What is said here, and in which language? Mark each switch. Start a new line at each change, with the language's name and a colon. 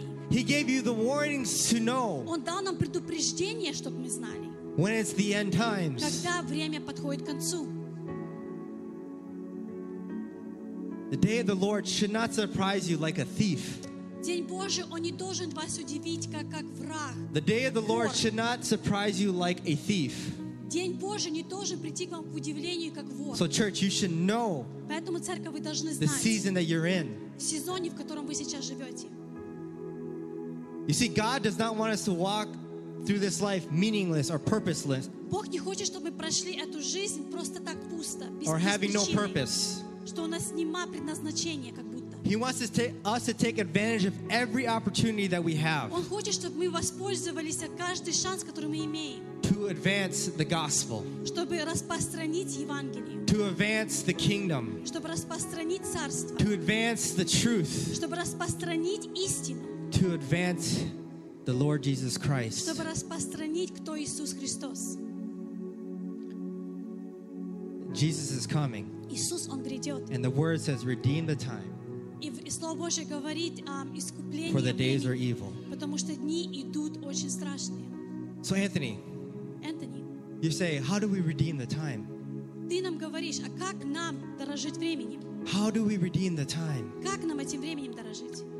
English: He gave you the warnings to know.
Russian: Он дал нам предупреждение, чтобы мы знали.
English: When it's the end times.
Russian: Когда время подходит к концу.
English: The day of the Lord should not surprise you like a thief.
Russian: День Божий, он не должен вас удивить как враг.
English: The day of the Lord should not surprise you like a thief.
Russian: День Божий не должен прийти к вам в удивлении как вор.
English: So church, you should know.
Russian: Поэтому церковь, вы должны знать.
English: The season that you're in.
Russian: В сезоне, в котором вы сейчас живете.
English: You see, God does not want us to walk through this life meaningless or purposeless.
Russian: Бог не хочет, чтобы мы прошли эту жизнь просто так пусто, без
English: Or having no purpose.
Russian: Что у нас нема предназначения, как будто.
English: He wants us to take advantage of every opportunity that we have.
Russian: Он хочет, чтобы мы воспользовались каждый шанс, который мы имеем.
English: To advance the gospel.
Russian: Чтобы распространить Евангелие.
English: To advance the kingdom.
Russian: Чтобы распространить царство.
English: To advance the truth.
Russian: Чтобы распространить истину.
English: To advance the Lord Jesus Christ.
Russian: Чтобы распространить, кто Иисус Христос.
English: Jesus is coming.
Russian: Иисус, он грядет.
English: And the word says, redeem the time.
Russian: И Слово Божие говорит, искупление.
English: For the days are evil.
Russian: Потому что дни идут очень страшные.
English: So Anthony.
Russian: Anthony.
English: You say, how do we redeem the time?
Russian: Ты нам говоришь, а как нам дорожить временем?
English: How do we redeem the time?
Russian: Как нам этим временем дорожить?